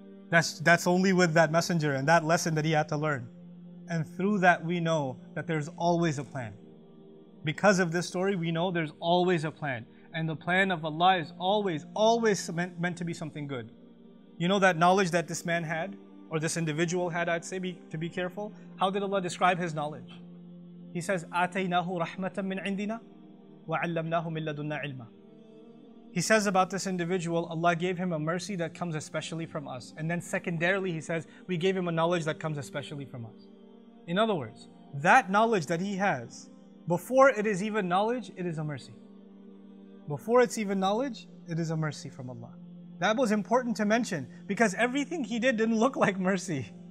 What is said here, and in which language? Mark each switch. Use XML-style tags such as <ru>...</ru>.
<en>That's only with that messenger and that lesson that he had to learn. And through that we know that there's always a plan. Because of this story, we know there's always a plan. And the plan of Allah is always, always meant to be something good. You know that knowledge that this man had, or this individual had, I'd say, to be careful. How did Allah describe his knowledge? He says,</en> <ar>أَتَيْنَاهُ رَحْمَةً مِّنْ عِنْدِنَا وَعَلَّمْنَاهُ مِنْ لَدُنَّا عِلْمًا.</ar> <en>He says about this individual, Allah gave him a mercy that comes especially from us. And then secondarily, he says, we gave him a knowledge that comes especially from us. In other words, that knowledge that he has, before it is even knowledge, it is a mercy. Before it's even knowledge, it is a mercy from Allah. That was important to mention because everything he did didn't look like mercy.</en>